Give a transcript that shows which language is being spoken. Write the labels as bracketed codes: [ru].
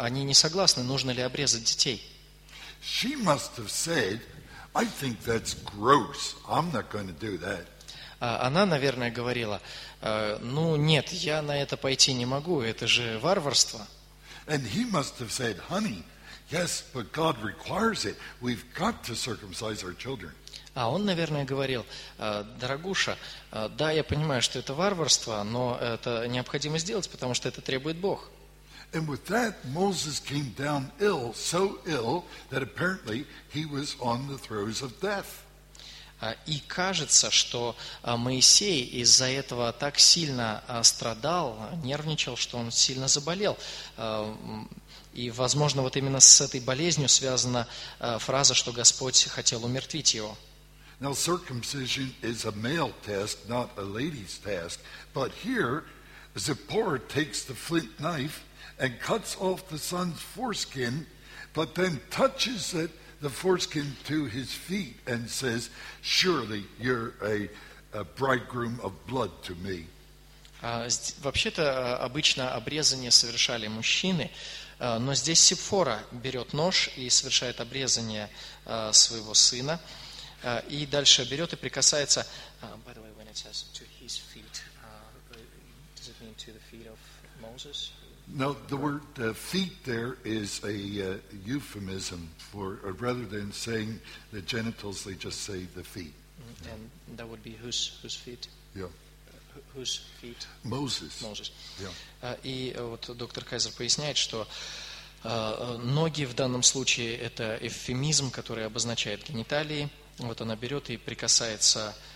[ru] Они не согласны, нужно ли обрезать детей. [en] She must have said, I think that's gross. I'm not going to do that. [ru] Она, наверное, говорила: "Ну нет, я на это пойти не могу. Это же варварство." [en] And he must have said, "Honey, yes, but God requires it. We've got to circumcise our children." [ru] А он, наверное, говорил: "Дорогуша, да, я понимаю, что это варварство, но это необходимо сделать, потому что это требует Бог." [en] And with that, Moses came down ill, so ill that apparently he was on the throes of death. [ru] И кажется, что Моисей из-за этого так сильно страдал, нервничал, что он сильно заболел. И, возможно, вот именно с этой болезнью связана фраза, что Господь хотел умертвить его. [en] Now, circumcision is a male task, not a lady's task. But here, Zipporah takes the flint knife and cuts off the son's foreskin, but then touches it, the foreskin to his feet and says, "Surely you're a bridegroom of blood to me." [ru] Вообще-то обычно обрезание совершали мужчины, но здесь Сиппора берет нож и совершает обрезание своего сына, и дальше берет и прикасается. [en] By the way, when it says to his feet, does it mean to the feet of Moses? No, the word feet there is a euphemism for, rather than saying the genitals, they just say the feet. Mm-hmm. Yeah. And that would be whose feet? Yeah. Whose feet? Moses. Yeah. [ru] И вот доктор Кайзер поясняет, что ноги в данном случае это эвфемизм, который обозначает гениталии. Вот она берет и прикасается